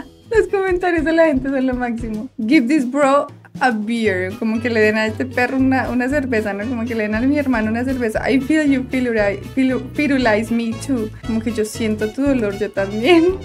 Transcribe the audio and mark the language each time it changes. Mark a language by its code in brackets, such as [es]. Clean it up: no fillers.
[es] Los comentarios de la gente son lo máximo. [en] Give this bro a beer. [es] Como que le den a este perro una cerveza, ¿no? Como que le den a mi hermano una cerveza. [en] I feel you, Pirulais, me too. [es] Como que yo siento tu dolor, yo también.